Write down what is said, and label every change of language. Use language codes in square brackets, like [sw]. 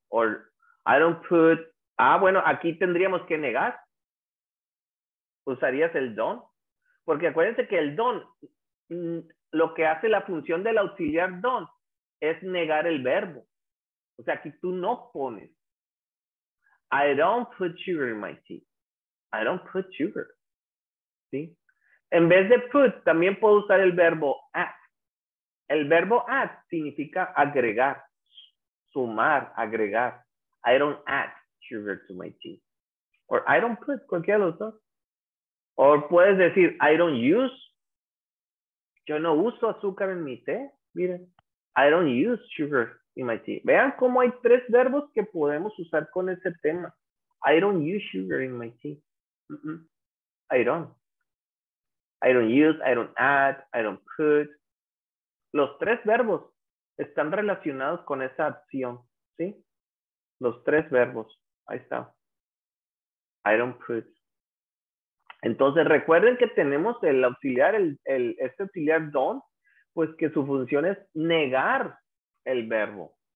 [en] Or I don't put... [es] Ah, bueno, aquí tendríamos que negar. ¿Usarías el don? Porque acuérdense que el don, lo que hace la función del auxiliar don, es negar el verbo. O sea, aquí tú no pones. [en] I don't put sugar in my tea. I don't put sugar. [es] ¿Sí? En vez de put, también puedo usar el verbo add. El verbo add significa agregar, sumar, agregar. [en] I don't add sugar to my tea. Or I don't put, [es] cualquiera de los dos. O puedes decir, [en] I don't use. [es] Yo no uso azúcar en mi té. Miren, [en] I don't use sugar in my tea. [es] Vean cómo hay tres verbos que podemos usar con ese tema. [en] I don't use sugar in my tea. Mm-mm. I don't. I don't use, I don't add, I don't put. [es] Los tres verbos están relacionados con esa acción. ¿Sí? Los tres verbos. Ahí está. [en] I don't put. [es] Entonces, recuerden que tenemos el auxiliar, este auxiliar don, pues que su función es negar el verbo.